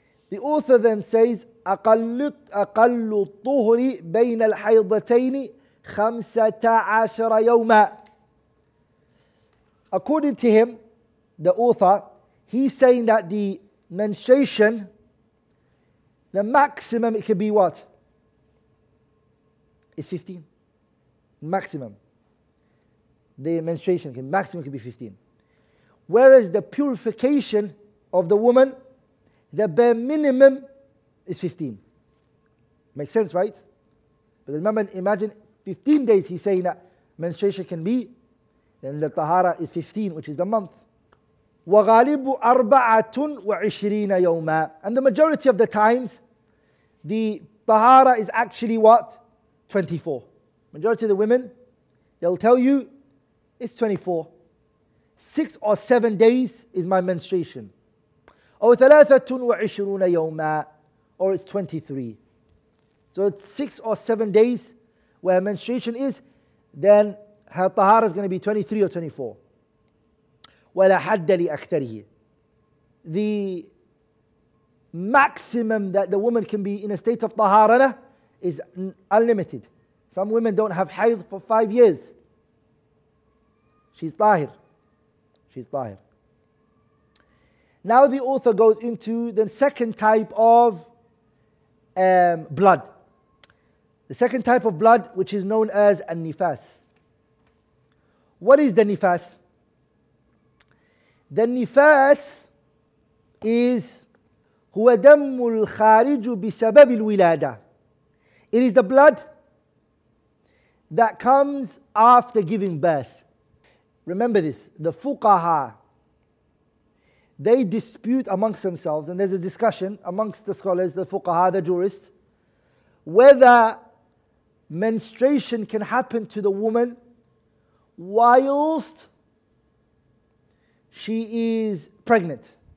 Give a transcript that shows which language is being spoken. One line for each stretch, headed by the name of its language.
English: The author then says,
Arabic: أَقَلُّ الطُّهْرِ بَيْنَ الْحَيْضَتَيْنِ 15 يَوْمًا.
English: According to him, the author, he's saying that the menstruation, the maximum it could be what? It's 15. Maximum. The menstruation, maximum could be 15. Whereas the purification of the woman, the bare minimum is 15. Makes sense, right? But remember, imagine 15 days he's saying that menstruation can be, then the tahara is 15, which is the month.
Arabic: وَغَالِبُ أَرْبَعَةٌ وَعِشْرِينَ يَوْمًا.
English: And the majority of the times, the tahara is actually what? 24. Majority of the women, they'll tell you, it's 24. 6 or 7 days is my menstruation.
Arabic: أو ثلاثة وعشرون يوما,
English: or it's 23. So it's 6 or 7 days where menstruation is, then her tahara is going to be 23 or 24.
Arabic: ولا حد لأكثره.
English: The maximum that the woman can be in a state of tahara is unlimited. Some women don't have hayd for 5 years. She's tahir. She's tahir. Now the author goes into the second type of blood. The second type of blood, which is known as an-nifas. What is the nifas? The nifas is
Arabic: هو دم الخارج بسبب الولادة.
English: It is the blood that comes after giving birth. Remember this, the fuqaha, they dispute amongst themselves, and there's a discussion amongst the scholars, the fuqaha, the jurists, whether menstruation can happen to the woman whilst she is pregnant.